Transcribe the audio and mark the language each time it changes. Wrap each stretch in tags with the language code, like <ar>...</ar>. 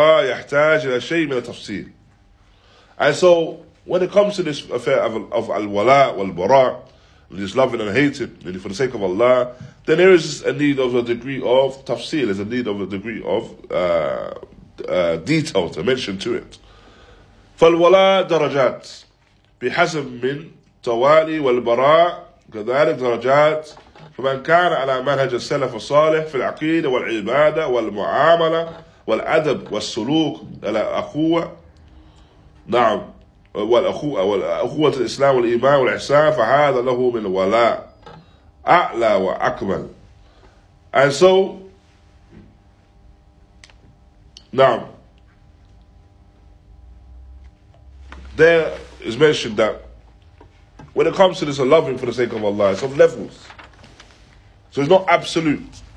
<en>And so, when it comes to this affair of al-wala wal-bara, this loving and hating, for the sake of Allah, then there is a need of a degree of tafsir, there's a need of a degree of detail to mention to it.</en> <ar>فَالْوَلَىٰ دَرَجَاتِ بحسب من توالي والبراء كذلك درجات فمن كان على منهج السلف الصالح في العقيدة والعبادة والمعاملة والأدب والسلوك على أخوة نعم والأخوة الإسلام والإيمان والإحسان فهذا له من ولاء أعلى وأكمل.</ar> <en>And so نعم there is mentioned that when it comes to this loving for the sake of Allah, it's of levels. So it's not absolute.</en>